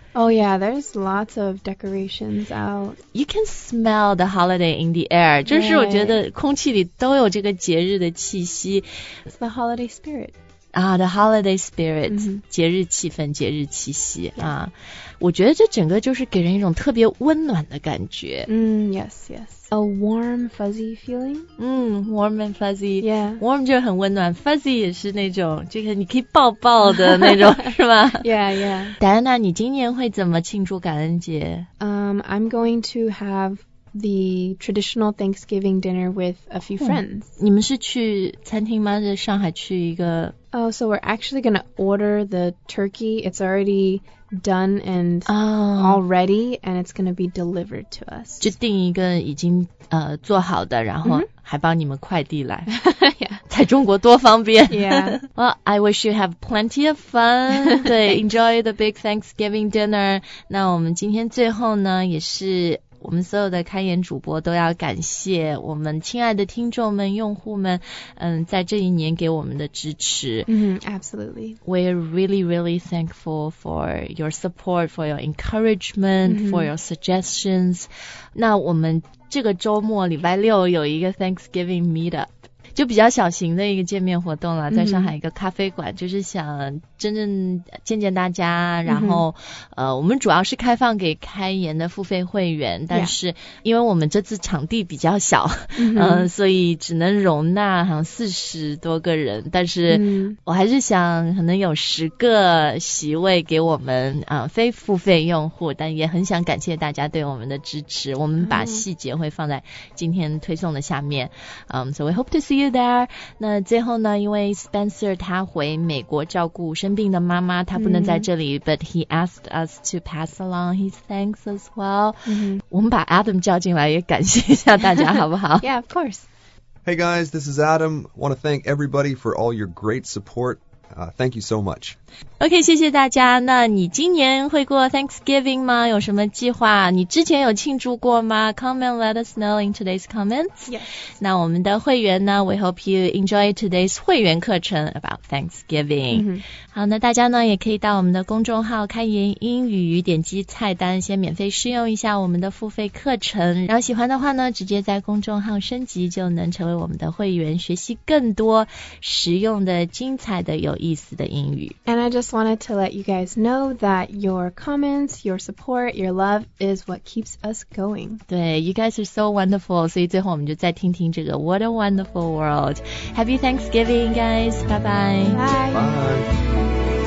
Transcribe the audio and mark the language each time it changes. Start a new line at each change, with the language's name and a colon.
English: Oh yeah, there's lots of decorations out. You can smell the holiday in the air.
Chinese: 就是我觉得空气里都有这个节日的气息。
English: It's the holiday spirit. Ah, the holiday spirit,、mm-hmm.
Chinese: 节日气氛、节日气息、yeah. 啊。我觉得这整个就是给人一种特别温暖的感觉。
English: Yes, yes. A warm, fuzzy feeling. Warm and fuzzy. Yeah.
Chinese: Warm 就很温暖 ，fuzzy 也是那种，就是你可以抱抱的那种，是吧
English: ？Yeah, yeah.
Chinese: 戴安娜，你今年会怎么庆祝感恩节
English: ？I'm going to have the traditional Thanksgiving dinner with a few friends.、
Chinese: 你们是去餐厅吗？在上海去一个
English: ？Oh, so we're actually going to order the turkey. It's already done and、all ready, and it's going to be delivered to us.
Chinese: 就订一个已经、做好的，然后还帮你们快递来。
English: Yeah.
Chinese: 在中国多方便。
English: Yeah. Well, I wish you have plenty of fun. 对 ，enjoy the big Thanksgiving dinner.
Chinese: 那我们今天最后呢，也是我们所有的开言主播都要感谢我们亲爱的听众们、用户们，在这一年给我们的支持。
English: Absolutely. We're really, really thankful for your support, for your encouragement,、for your suggestions.
Chinese: 那我们这个周末礼拜六有一个 Thanksgiving meetup. 就比较小型的一个见面活动了，在上海一个咖啡馆、就是想真正见见大家，然后、我们主要是开放给开言的付费会员，但是因为我们这次场地比较小、所以只能容纳好像40多个人，但是我还是想可能有10个席位给我们啊、非付费用户，但也很想感谢大家对我们的支持，我们把细节会放在今天推送的下面、
English: so we hope to seeYou there.
Chinese: 那最后呢，因为 Spencer 他回美国照顾生病的妈妈，他不能在这里、
English: but he asked us to pass along his thanks as well、
Chinese: 我们把 Adam 叫进来也感谢一下大家好不好
English: Yeah, of course. Hey guys, this is Adam. I want to thank everybody for all your great supportThank you so much.
Chinese: OK, 谢谢大家。那你今年会过 Thanksgiving 吗？有什么计划？你之前有庆祝过吗？
English: Come and let us know in today's comments. Yes.
Chinese: 那我们的会员呢，
English: we hope you enjoy today's
Chinese: 会员课程
English: about Thanksgiving.、
Chinese: 好，那大家呢也可以到我们的公众号开言英语，点击菜单先免费试用一下我们的付费课程，然后喜欢的话呢，直接在公众号升级就能成为我们的会员，学习更多实用的、精彩的、有意思的英语。
English: And I just wanted to let you guys know that your comments, your support, your love is what keeps us going.
Chinese: 对 ,
English: you guys are so wonderful,
Chinese: 所以最后我们就再听听这个 What a wonderful world.
English: Happy Thanksgiving, guys. Bye bye. Bye. Bye.